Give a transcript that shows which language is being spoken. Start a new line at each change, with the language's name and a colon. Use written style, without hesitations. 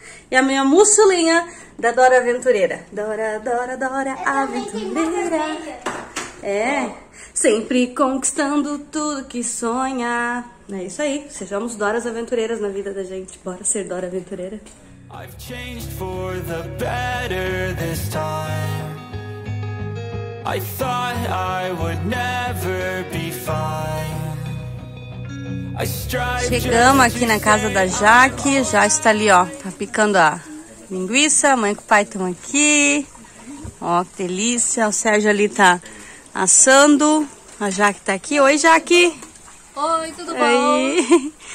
Portuguese: E a minha mussolinha da Dora Aventureira. Dora Aventureira. É. Oh. Sempre conquistando tudo que sonha. É isso aí. Sejamos Doras Aventureiras na vida da gente. Bora ser Dora Aventureira.
English: I've changed for the better this time. I thought I would never be fine.
Portuguese: Chegamos aqui na casa da Jaque. Já está ali, ó. Tá picando a linguiça. Mãe com o pai estão aqui. Ó, que delícia. O Sérgio ali tá assando. A Jaque tá aqui. Oi, Jaque. Oi, tudo bom?